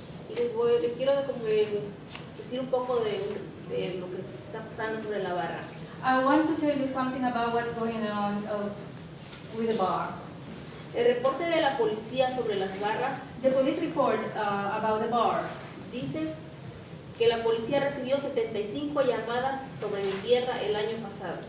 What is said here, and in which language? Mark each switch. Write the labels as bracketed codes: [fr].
[es] Le quiero decir un poco de lo que está pasando sobre la barra. [en] I want to tell you something about what's going on with the bar. [es] El reporte de la policía sobre las barras. [en] The police report about the bars. [es] Dice que la policía recibió 75 llamadas sobre mi tierra el año pasado.